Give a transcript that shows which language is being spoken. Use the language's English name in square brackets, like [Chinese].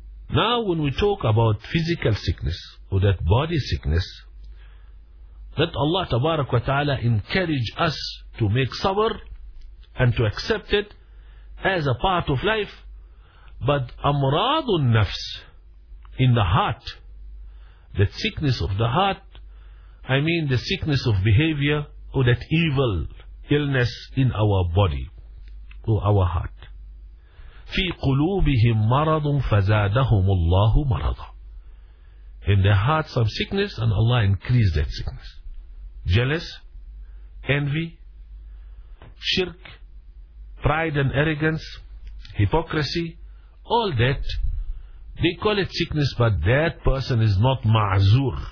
[English] Now when we talk about physical sickness or that body sickness, let Allah tabarak wa ta'ala encourage us to make sabr and to accept it as a part of life. But amradun nafs, in the heart, that sickness of the heart, I mean the sickness of behavior or that evil illness in our body or our heart. [Arabic] في قلوبهم مرض فزادهم الله مرضا. [English] In their heart some sickness and Allah increased that sickness. Jealous, envy, shirk, pride and arrogance, hypocrisy, all that, they call it sickness, but that person is not ma'zur.